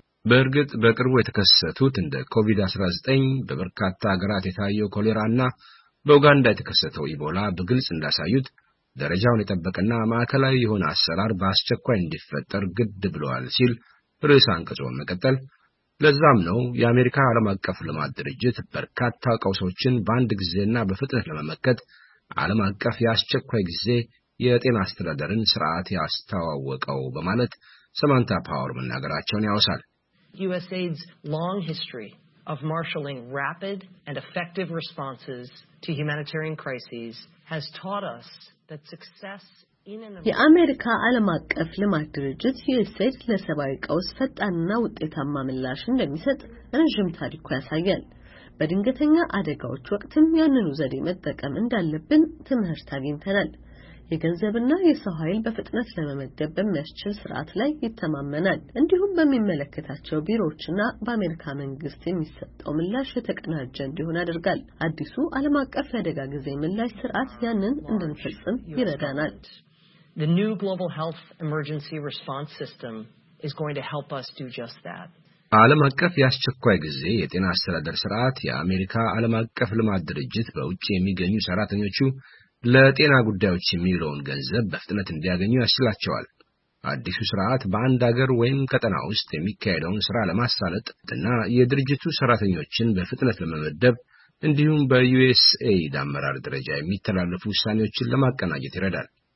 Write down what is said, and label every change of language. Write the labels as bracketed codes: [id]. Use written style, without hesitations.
[am] በእርግጥ በቅርቡ የተከሰቱት እንደ ኮቪድ-19 በበርካታ ሀገራት የታየው ኮሌራና በኡጋንዳ የተከሰተው ኢቦላ በግልጽ እንዳሳዩት ደረጃውን የተበቀና ማዕከላዊ የሆነ አሰራር በአስቸኳይ እንዲፈጠር ግድ ብሏል ሲል ርዕሰ አንቀጹን መቀጠል። ለዛም ነው የአሜሪካ ዓለም አቀፍ ልማት ድርጅት በርካታ ቀውሶችን በአንድ ጊዜና በፍጥነት ለመመከት ዓለም አቀፍ ያስቸኳይ ጊዜ የጤና አስተዳደርን ስርዓት ያስተዋወቀው በማለት ሰማንታ ፓወር መናገራቸውን ያወሳል። [en] USAID's long history of marshaling rapid and effective responses to humanitarian crises has taught us that success [am] የአሜሪካ ዓለም አቀፍ ልማት ድርጅት USAID ለሰብአዊ ቀውስ ፈጣንና ውጤታማ ምላሽ እንደሚሰጥ ረጅም ታሪኩ ያሳያል። በድንገተኛ አደጋዎች ወቅትም ያንኑ ዘዴ መጠቀም እንዳለብን ትምህርት አግኝተናል። የገንዘብና የሰው ኃይል በፍጥነት ለመመደብ በሚያስችል ስርዓት ላይ ይተማመናል። እንዲሁም በሚመለከታቸው ቢሮዎችና በአሜሪካ መንግስት የሚሰጠው ምላሽ የተቀናጀ እንዲሆን አድርጋል። አዲሱ ዓለም አቀፍ የአደጋ ጊዜ ምላሽ ስርዓት ያንን እንድንፈጽም ይረዳናል። [en] The new global health emergency response system is going to help us do just that. [am] ዓለም አቀፍ ያስቸኳይ ጊዜ የጤና አስተዳደር ስርዓት የአሜሪካ ዓለም አቀፍ ልማት ድርጅት በውጭ የሚገኙ ሰራተኞቹ ለጤና ጉዳዮች የሚውለውን ገንዘብ በፍጥነት እንዲያገኙ ያስችላቸዋል። አዲሱ ስርዓት በአንድ አገር ወይም ቀጠና ውስጥ የሚካሄደውን ስራ ለማሳለጥና የድርጅቱ ሰራተኞችን በፍጥነት ለመመደብ እንዲሁም በዩኤስኤአይዲ አመራር ደረጃ የሚተላለፉ ውሳኔዎችን ለማቀናጀት ይረዳል።